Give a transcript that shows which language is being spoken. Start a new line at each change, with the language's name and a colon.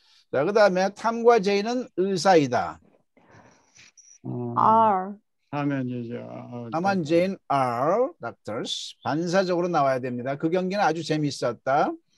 Korean: 자 그다음에 탐과 제인은 의사이다.
English: Are. Tom and Jane are doctors.
Korean: 반사적으로 나와야 됩니다. 그 경기는 아주 재미있었다.